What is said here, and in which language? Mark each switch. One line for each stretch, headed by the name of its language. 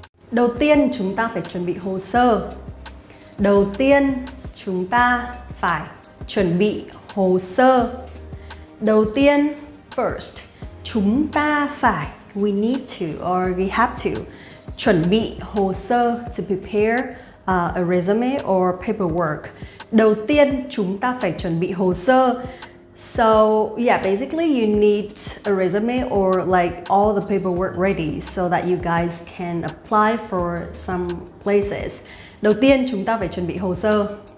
Vietnamese: Đầu tiên chúng ta phải chuẩn bị hồ sơ. Đầu tiên chúng ta phải chuẩn bị hồ sơ. Đầu tiên,
English: first,
Vietnamese: chúng ta phải,
English: we need to or we have to,
Vietnamese: chuẩn bị hồ sơ,
English: to prepare a resume or paperwork.
Vietnamese: Đầu tiên chúng ta phải chuẩn bị hồ sơ.
English: So yeah, basically you need a resume or like all the paperwork ready so that you guys can apply for some places.
Vietnamese: Đầu tiên chúng ta phải chuẩn bị hồ sơ.